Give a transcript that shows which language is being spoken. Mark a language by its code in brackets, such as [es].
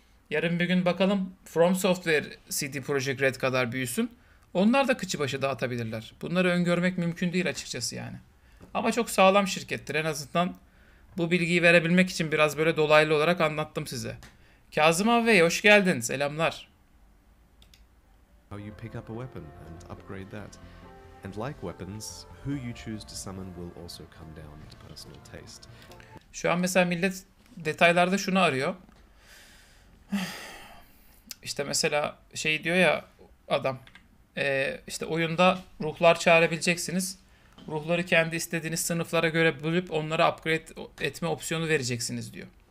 [tr] Yarın bir gün bakalım From Software CD Projekt Red kadar büyüsün. Onlar da kıçı başı dağıtabilirler. Bunları öngörmek mümkün değil açıkçası yani. Ama çok sağlam şirkettir. En azından bu bilgiyi verebilmek için biraz böyle dolaylı olarak anlattım size. Kazım abi, hoş geldin. Selamlar. [en] How you pick up a weapon and upgrade that. And like weapons, who you choose to summon will also come down to personal taste. [tr] Şu an mesela millet detaylarda şunu arıyor. İşte mesela şey diyor ya adam. İşte oyunda ruhlar çağırabileceksiniz. Ruhları kendi istediğiniz sınıflara göre bölüp onları upgrade etme opsiyonu vereceksiniz diyor.